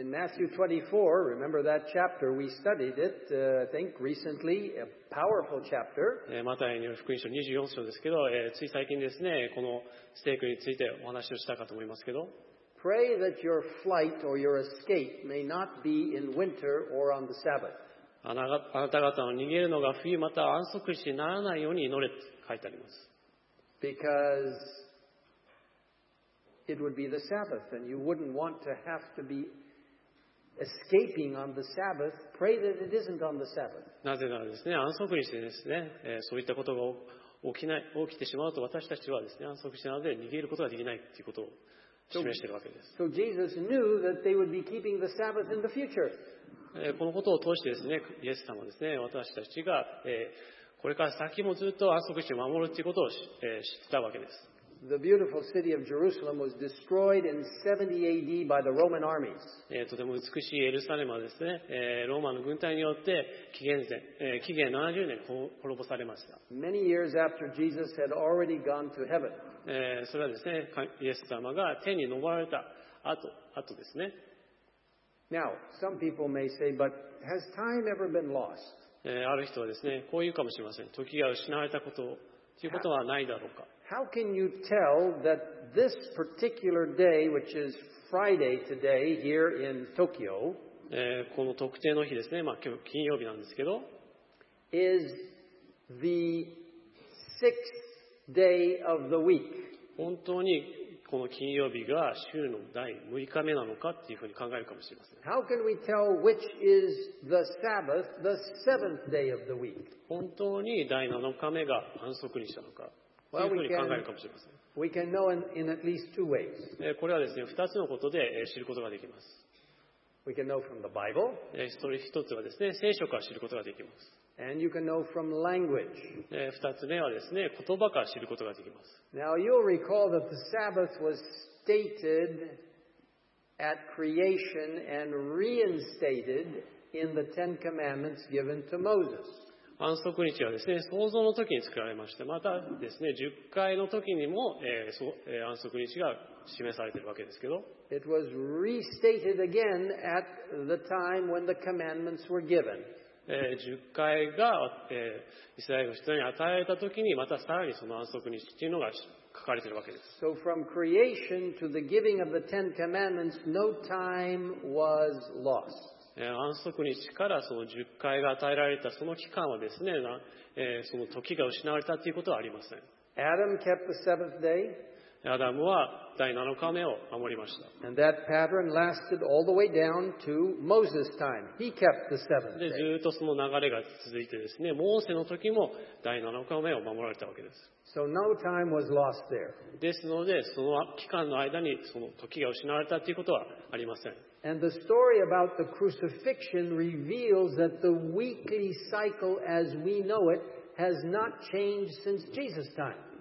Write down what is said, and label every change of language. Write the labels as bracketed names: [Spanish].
[English] In Matthew 24, remember that chapter we studied it, I think recently, a powerful chapter. [Japanese] マタイによる福音書24章ですけど、つい最近ですね、このステークについてお話をしたかと思いますけど。 [English] Pray that your flight or your escape may not be in winter or on the Sabbath. [Japanese] あなた方の逃げるのが冬または安息日にならないように祈れと書いてあります。 [English] Because it would be the Sabbath, and you wouldn't want to have to be escaping on the Sabbath. Pray that it isn't on the Sabbath. [Japanese] なぜならですね、安息日ですね、そういったことが起きてしまうと私たちはですね、安息日なので逃げることができないということを示しているわけです。 [English] So Jesus knew that they would be keeping the Sabbath in the future. [Japanese] このことを通してですね、イエス様はですね、私たちがこれから先もずっと安息日を守るということを知ったわけです。 [English] The beautiful city of Jerusalem was destroyed in 70 AD by the Roman armies. [Japanese] とても美しいエルサレムはですね、ローマの軍隊によって紀元70年滅ぼされました。 [English] Many years after Jesus had already gone to heaven. [Japanese] それはですね、イエス様が天に昇られた後ですね。 [English] Now, some people may say, but has time ever been lost? [Japanese] ある人はですね、こう言うかもしれません。時が失われたことということはないだろうか。 [English] How can you tell that this particular day, which is Friday today here in Tokyo, [Japanese] この特定の日ですね、まあ今日金曜日なんですけど、 [English] is the sixth day of the week. [Japanese] 本当にこの金曜日が週の第6日目なのかっていうふうに考えるかもしれません。 [English] How can we tell which is the Sabbath, the seventh day of the week? [Japanese] 本当に第7日目が安息日なのか。というふうに考えるかもしれません。 [English] We can know in at least two ways. [Japanese] これはですね、2つのことで知ることができます。 [English] We can know from the Bible. [Japanese] 一つはですね、聖書から知ることができます。 [English] And you can know from language. [Japanese] 2つ目はですね、言葉から知ることができます。 [English] Now you'll recall that the Sabbath was stated at creation and reinstated in the Ten Commandments given to Moses. [Japanese] 安息日はですね、創造の時に作られまして、またですね、十戒の時にも安息日が示されているわけですけど。 [English] It was restated again at the time when the commandments were given. [Japanese] 十戒が、イスラエルの人に与えられた時に、またさらにその安息日というのが書かれているわけです。 [English] So from creation to the giving of the Ten Commandments, no time was lost. [Japanese] 安息日からその十戒が与えられたその期間はですね、その時が失われたということはありません。 [English] Adam kept the seventh day. [Japanese] アダムは第7日目を守りました。 [English] And that pattern lasted all the way down to Moses' time. He kept the seventh day. [Japanese] で、ずっとその流れが続いてですね、モーセの時も第7日目を守られたわけです。 [English] So no time was lost there. [Japanese] ですので、その期間の間にその時が失われたということはありません。 [English] And the story about the crucifixion reveals that the weekly cycle as we know it has not changed since Jesus' time.